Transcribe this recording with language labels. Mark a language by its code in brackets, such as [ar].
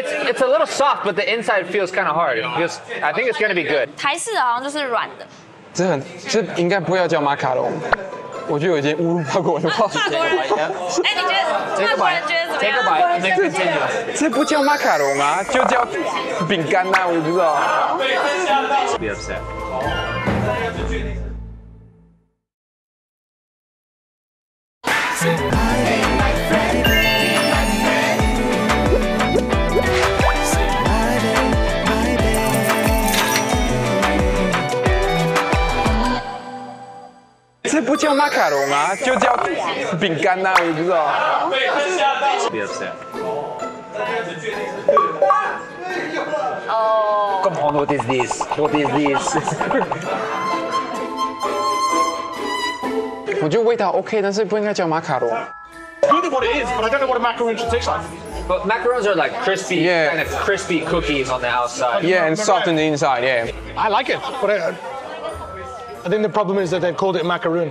[en] It's a little soft, but the inside feels kind of hard. Because I think it's gonna be good. [zh] 台式好像就是软的。这很，这应该不会要叫马卡龙，我觉得有一点侮辱到我的话。法国人，哎，你觉得法国人觉得怎么样？这不叫马卡龙啊，就叫饼干啦，我也不知道。这不叫马卡龙啊，就叫饼干啊，我也不知道。被他吓到。 [en] Be upset。 Come on, what is this? What is this? [zh] 我觉得味道 OK， 但是不应该叫马卡龙。 [en] Good what it is, but I don't know what a macaron should taste like. But macarons are like crispy, yeah. Kind of crispy cookies on the outside. Yeah, and soft on the inside. Yeah. I like it, but I think the problem is that they called it macaroon.